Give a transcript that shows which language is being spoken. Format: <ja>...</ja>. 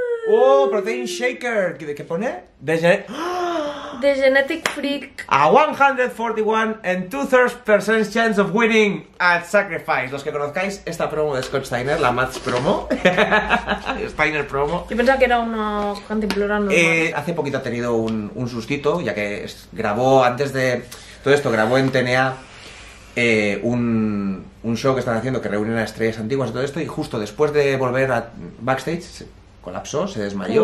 <es>¡Oh! Protein Shaker. ¿Qué pone?</es> <en>The Genetic Freak. A 141 and 2/3% chance of winning at Sacrifice.</en> <es>Los que conozcáis esta promo de Scott Steiner, la Mads promo.</es> <en>Steiner promo.</en> <es>Yo pensaba que era una cantimplora normal. Hace poquito ha tenido un sustito, ya que grabó antes de todo esto, grabó en TNA. Un show que están haciendo que reúnen a estrellas antiguas y todo esto, y justo después de volver a backstage se colapsó, se desmayó.</es>